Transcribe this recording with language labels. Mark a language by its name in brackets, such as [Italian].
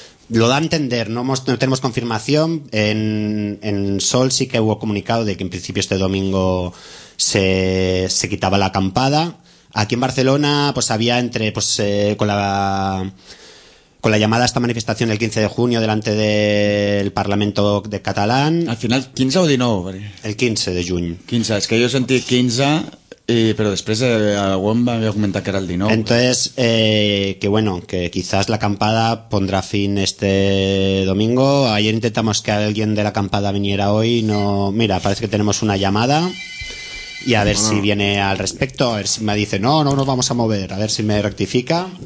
[Spanish] Lo da a entender, no tenemos confirmación. En Sol sí que hubo comunicado de que en principio este domingo se quitaba la acampada. Aquí en Barcelona pues había entre con la llamada a esta manifestación el 15 de junio delante del Parlamento de catalán. Al final, 15 o 19? [Catalan] El 15 de juny. 15, és que jo sentí 15, però després algú em va comentar que era el 19. [Spanish] Entonces, que bueno, que quizás la acampada pondrá fin este domingo. Ayer intentamos que alguien de la acampada viniera hoy. No, mira, parece que tenemos una llamada. Y a ver si viene al respecto, a ver si me dice no nos vamos a mover, a ver si me rectifica.